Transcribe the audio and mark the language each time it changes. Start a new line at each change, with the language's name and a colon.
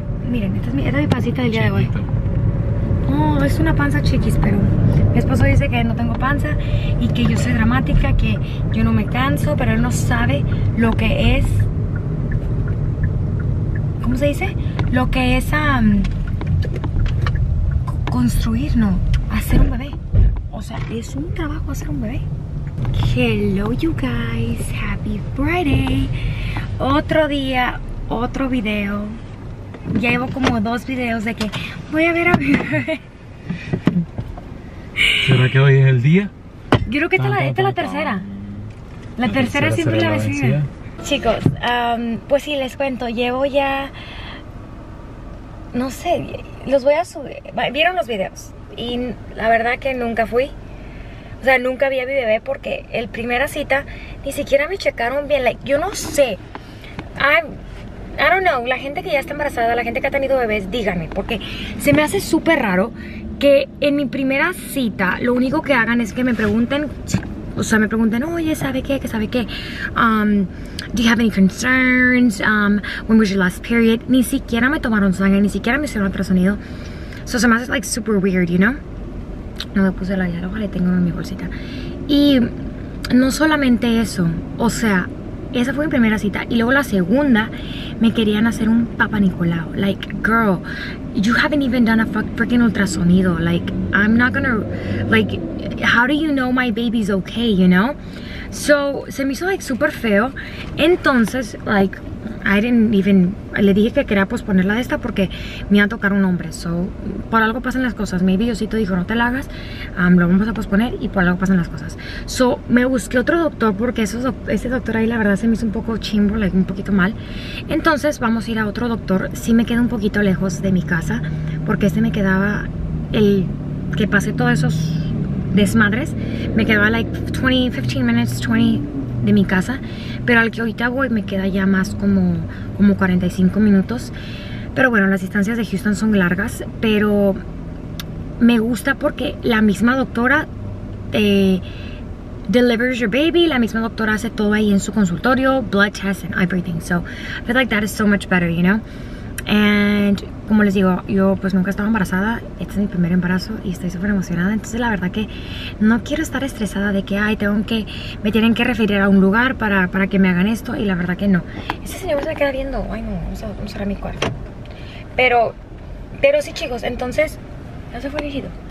Spanish: Miren, esta es mi pancita del día de hoy. Oh, es una panza chiquis, pero mi esposo dice que no tengo panza y que yo soy dramática, que yo no me canso, pero él no sabe lo que es. ¿Cómo se dice? Lo que es construir, no. Hacer un bebé. O sea, es un trabajo hacer un bebé.
English: Hello you guys, happy Friday.
Spanish: Otro día, otro video. Ya llevo como dos videos de que voy a ver a mi bebé. ¿Será que hoy es el día? Yo creo que esta es la tercera. La tercera siempre la vencida. Chicos, pues sí, les cuento. Llevo ya, no sé, los voy a subir. Vieron los videos. Y la verdad que nunca fui. O sea, nunca vi a mi bebé porque el primera cita ni siquiera me checaron bien. Like, yo no sé.
English: I don't know.
Spanish: La gente que ya está embarazada, la gente que ha tenido bebés, díganme. Porque se me hace súper raro que en mi primera cita lo único que hagan es que me pregunten. O sea, me pregunten, oye, ¿sabe qué? ¿Qué sabe qué?
English: Do you have any concerns? When was your last period?
Spanish: Ni siquiera me tomaron sangre, ni siquiera me hicieron ultrasonido. So se me hace
English: like super weird, you know?
Spanish: No le puse la llave, ojalá tengo en mi bolsita. Y no solamente eso, o sea, esa fue mi primera cita. Y luego la segunda, me querían hacer un Papa Nicolau.
English: Like, girl, you haven't even done a freaking ultrasonido. Like, I'm not gonna, like, how do you know my baby's okay, you know?
Spanish: So, se me hizo, like, super feo. Entonces, like,
English: I didn't even,
Spanish: le dije que quería posponerla de esta porque me iba a tocar un hombre. So, por algo pasan las cosas. Maybe Diosito dijo, no te la hagas, lo vamos a posponer y por algo pasan las cosas. So, me busqué otro doctor porque ese doctor ahí la verdad se me hizo un poco chimbo, like, un poquito mal. Entonces, vamos a ir a otro doctor. Sí me queda un poquito lejos de mi casa porque este me quedaba el que pasé todos esos desmadres. Me quedaba
English: like 15 minutes
Spanish: de mi casa, pero al que ahorita voy me queda ya más como 45 minutos. Pero bueno, las distancias de Houston son largas, pero me gusta porque la misma doctora te
English: delivers your baby,
Spanish: la misma doctora hace todo ahí en su consultorio,
English: blood test and everything. So I feel like that is so much better, you know.
Spanish: And como les digo, yo pues nunca estaba embarazada, este es mi primer embarazo y estoy súper emocionada. Entonces la verdad que no quiero estar estresada de que ay, me tienen que referir a un lugar para que me hagan esto, y la verdad que no. Este señor se me queda viendo, ay no, vamos a ir a mi cuarto. Pero sí, chicos, entonces ya se fue el hijito.